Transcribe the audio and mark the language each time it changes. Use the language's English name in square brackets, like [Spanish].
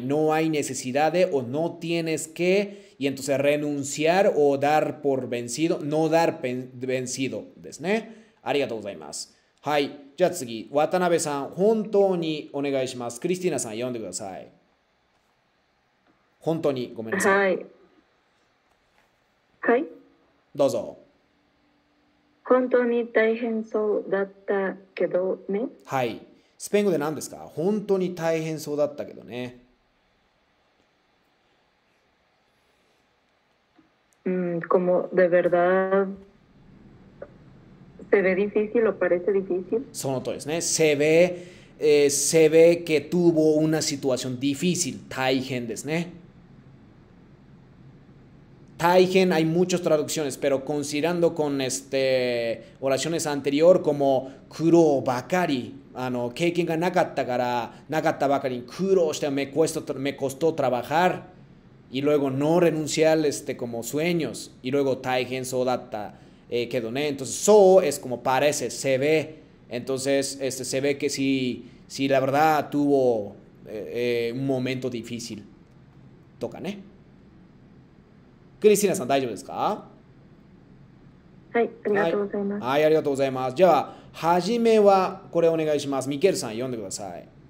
[Spanish] No hay necesidad de, o no tienes que, y entonces renunciar o dar por vencido, no dar vencido [Japanese] ですね。ありがとうございます。はい。じゃあ次、渡辺さん、本当にお願いします。クリスティーナさん、読んでください。本当にごめんなさい。はい。はい。どうぞ。本当に大変そうだったけどね。はい。スペイン語で何ですか？本当に大変そうだったけどね。 [Spanish] como de verdad se ve difícil o parece difícil. Son otros, ¿no? Se ve que tuvo una situación difícil. Taigen, ¿no? Taigen, hay muchas traducciones, pero considerando con oraciones anterior como kuro bakari, [Japanese] keiken ga nakatta bakari, [Spanish] kuro, me costó trabajar y luego no renunciar como sueños y luego taigen so datta quedó, ¿no? Entonces so es como parece, se ve. Entonces se ve que sí, la verdad tuvo un momento difícil. Toca, ¿eh? [Japanese] Cristina さん、大丈夫ですか？はい、ありがとうございます。ありがとうございます。じゃあ、はじめはこれお願いします。ミケルさん、読んでください。